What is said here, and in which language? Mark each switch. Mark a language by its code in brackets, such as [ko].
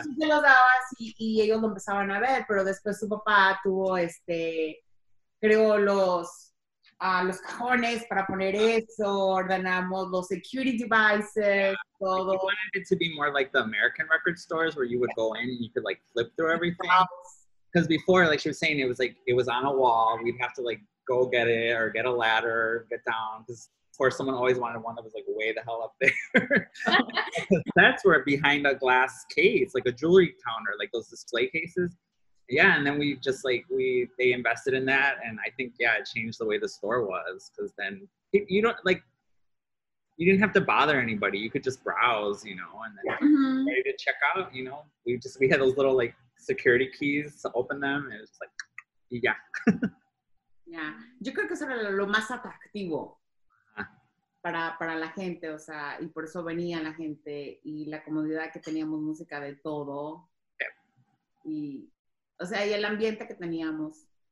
[es] Y tú te lo dabas y ellos lo empezaban a ver, pero después su papá tuvo creo los cajones para poner eso, ordenamos los [en] security devices, yeah. [es] Todo. [en] Like, you wanted it to be more like the American record stores where you would go in and you could, like, flip through everything. Because before, like she was saying, it was on a wall. We'd have to, like, go get it or get a ladder, get down. Because, of course, someone always wanted one that was, like, way the hell up there. That's where behind a glass case, like a jewelry counter, like those display cases. Yeah, and then we just, like, they invested in that. And I think, yeah, it changed the way the store was. Because then you didn't have to bother anybody. You could just browse, you know, and then mm-hmm. ready to check out, you know. We had those little, like, security keys to open them. It was like, yeah. Yeah. [es] Yo creo que eso era lo más atractivo para la gente, o sea, y por eso venía la gente y la comodidad que teníamos, música de todo. [en] Yeah. [es] Y, o sea, y el ambiente que teníamos.